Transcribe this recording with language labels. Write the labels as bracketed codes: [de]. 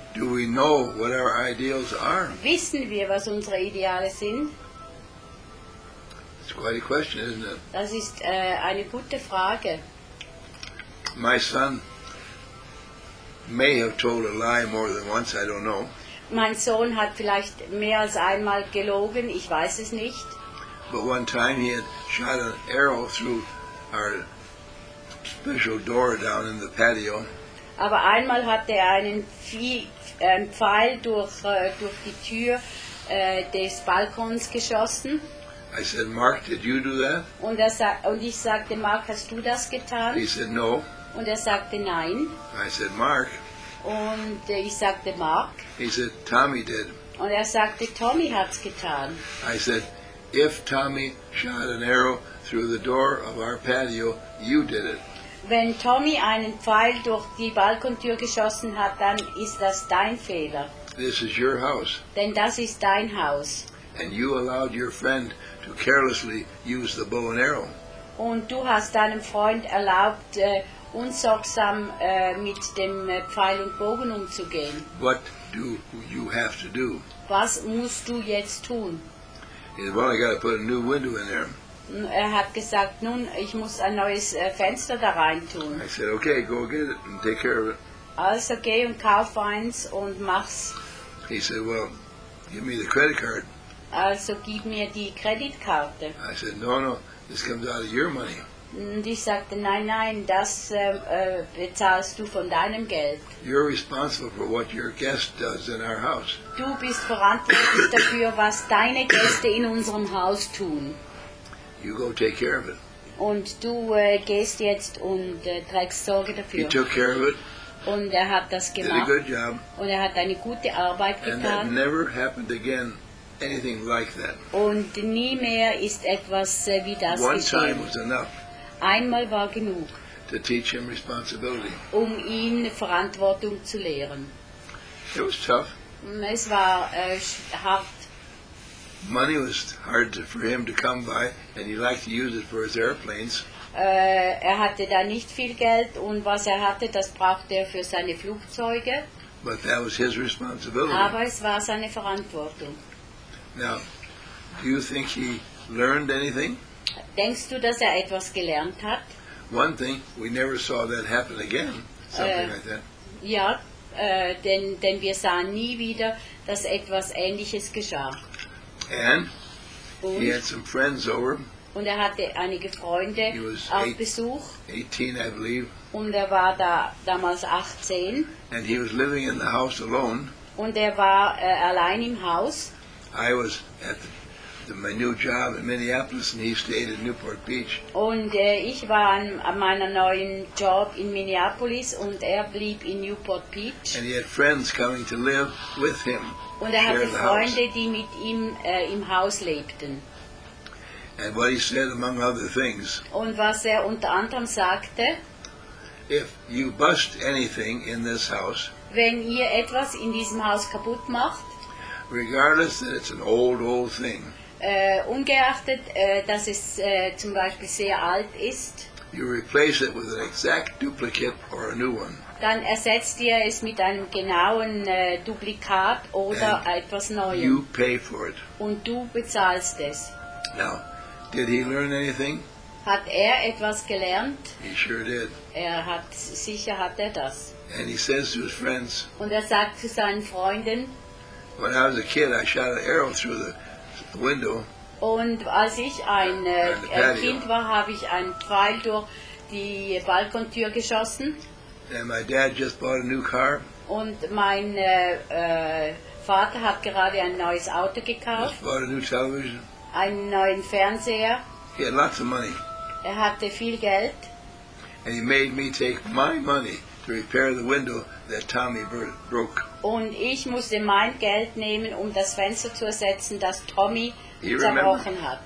[en] Do we know what our ideals are? [de] Wissen wir, was unsere Ideale sind? [en] It's quite a question, isn't it? [de] Das ist eine gute Frage. [en] My son may have told a lie more than once, I don't know. [de] Mein Sohn hat vielleicht mehr als einmal gelogen, ich weiß es nicht. [en] But one time he had shot an arrow through our special door down in the patio. [de] Aber einmal hat er einen Pfeil durch die Tür des Balkons geschossen. [en] I said, Mark, did you do that? [de] Und ich sagte, Mark, hast du das getan? [en] He said, no. [de] Und sagte, nein. [en] I said, Mark. [de] Und ich sagte, Mark. [en] He said, Tommy did. [de] Und sagte, Tommy hat's getan. [en] I said, if Tommy shot an arrow through the door of our patio, you did it. [de] Wenn Tommy einen Pfeil durch die Balkontür geschossen hat, dann ist das dein Fehler. [en] This is your house. [de] Denn das ist dein Haus. [en] and you allowed your friend to carelessly use the bow and arrow. [de] Und du hast deinem Freund erlaubt, unsorgsam mit dem Pfeil und Bogen umzugehen. [en] What do you have to do? [de] Was musst du jetzt tun? [en] He said, well, I got to put a new window in there. [de] Er hat gesagt, nun, ich muss ein neues Fenster da rein tun. [en] I said, okay, go get it and take care of it. [de] Also geh und kauf eins und mach's. [en] He said, well, give me the credit card. [de] Also gib mir die Kreditkarte. [en] I said, no, no, this comes out of your money. [de] Und ich sagte, nein, nein, das bezahlst du von deinem Geld. [en] You're responsible for what your guest does in our house. [de] Du bist verantwortlich dafür, was deine Gäste in unserem Haus tun. [en] You go take care of it. [de] Und du gehst jetzt und trägst Sorge dafür. [en] He took care of it. [de] Und er hat das gemacht. [en] Did a good job. [de] Und er hat eine gute Arbeit getan. [en] And that never happened again, anything like that. [de] Und nie mehr ist etwas wie das geschehen. [en] One time was enough. [de] Einmal war genug, [en] to teach him responsibility. [de] Um ihn Verantwortung zu lehren. [en] It was tough. [de] Es war hart. [en] Money was hard for him to come by, and he liked to use it for his airplanes. [de] Er hatte da nicht viel Geld, und was er hatte, das brauchte er für seine Flugzeuge. [en] But that was his responsibility. [de] Aber es war seine Verantwortung. [en] Now, do you think he learned anything? [de] Denkst du, dass er etwas gelernt hat? [en] One thing, we never saw that happen again, something like that. [de] Ja, denn wir sahen nie wieder, dass etwas Ähnliches geschah. [en] And he had some friends over. [de] Und er hatte einige Freunde auf Besuch. [en] 18, I believe. [de] Und er war da damals 18. [en] And he was living in the house alone. [de] Und er war allein im Haus. [en] I was at my new job in Minneapolis, and he stayed in Newport Beach. [de] Und ich war an meiner neuen Job in Minneapolis, und er blieb in Newport Beach. [en] And he had friends coming to live with him. [de] Und er hatte Freunde, die mit ihm im Haus lebten. [en] And what he said, among other things. [de] Und was er unter anderem sagte. [en] If you bust anything in this house. [de] Wenn ihr etwas in diesem Haus kaputt macht. [en] Regardless that it's an old thing. [de] Ungeachtet, dass es zum Beispiel sehr alt ist. [en] You replace it with an exact duplicate or a new one. [de] Dann ersetzt ihr es mit einem genauen Duplikat oder [en] and [de] etwas Neuem. [en] You pay for it. [de] Und du bezahlst es. [en] Now, did he learn anything? [de] Hat er etwas gelernt? [en] He sure did. [de] Sicher hat er das. [en] And he says to his friends. [de] Und er sagt zu seinen Freunden. [en] When I was a kid, I shot an arrow through the window. [de] Und als ich ein Kind war, habe ich einen Pfeil durch die Balkontür geschossen. [en] And my dad just bought a new car. [de] Und mein Vater hat gerade ein neues Auto gekauft. [en] Just bought a new television. [de] Einen neuen Fernseher. [en] He had lots of money. [de] Er hatte viel Geld. [en] And he made me take my money to repair the window that Tommy broke. [de] Und ich musste mein Geld nehmen, um das Fenster zu ersetzen, das Tommy zerbrochen hat.